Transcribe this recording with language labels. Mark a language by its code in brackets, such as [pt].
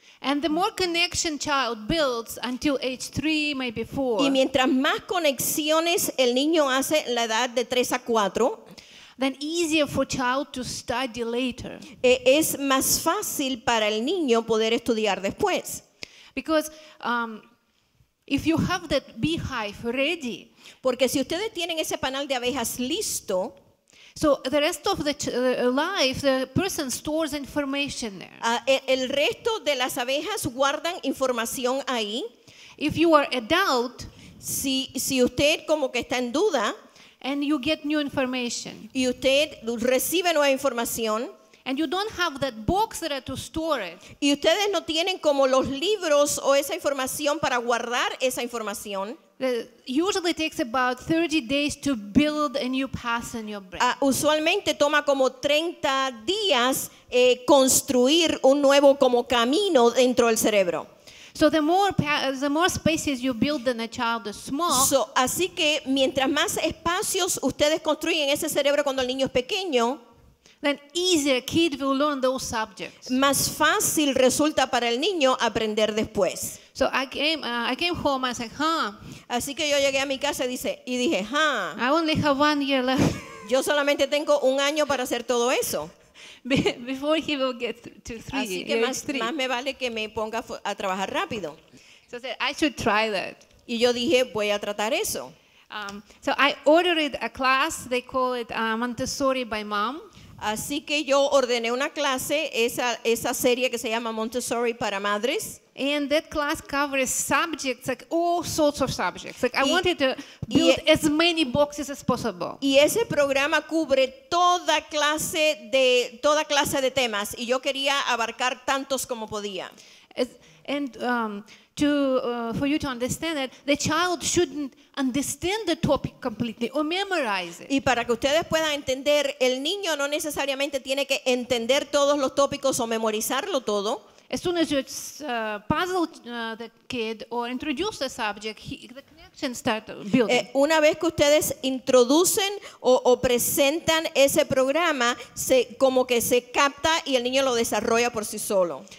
[en] And the more connection child builds until age 3, maybe 4. [es] Y mientras más conexiones el niño hace en la edad de 3 a 4, [en] then easier for child to study later. [es] Es más fácil para el niño poder estudiar después. [en] Because if you have that beehive ready, [es] porque si ustedes tienen ese panal de abejas listo, [en] so the rest of the life, the person stores information there. [es] El resto de las abejas guardan información ahí. [en] If you are a doubt, [es] si usted como que está en duda, [en] and you get new information, [es] y usted recibe nueva información, [en] and you don't have that box there to store it, [es] y ustedes no tienen como los libros o esa información para guardar esa información. [en] Usually takes about 30 days to build a new path in your brain. [es] Usualmente toma como 30 días construir un nuevo como camino dentro del cerebro. [en] So the more spaces you build when a child is small. [es] So, así que mientras más espacios ustedes construyen ese cerebro cuando el niño es pequeño, [en] then easier kid will learn those subjects. [es] Más fácil resulta para el niño aprender después. [en] So I came home and I said, "Huh." [es] Así que yo llegué a mi casa y dije, "Huh." [en] I only have 1 year left. [es] Yo solamente tengo 1 año para hacer todo eso. [en] Before he will get to 3. [es] Así que más me vale que me ponga a trabajar rápido. [en] So I said, "I should try that." [es] Y yo dije, "Voy a tratar eso." [en] So I ordered a class, they call it Montessori by Mom. [es] Así que yo ordené una clase, esa serie que se llama Montessori para madres. [en] And that class covers subjects, like all sorts of subjects. Like I wanted to build as many boxes as possible. [es] Y ese programa cubre toda clase de temas, y yo quería abarcar tantos como podía. [en] For you to understand that the child shouldn't understand the topic completely or memorize it. [es] Y para que ustedes puedan entender, el niño no necesariamente tiene que entender todos los tópicos o memorizarlo todo. [en] As soon as you puzzle the kid or introduce the subject, the connection starts building. [es] Una vez que ustedes introducen o presentan ese programa, se capta y el niño lo desarrolla por sí solo.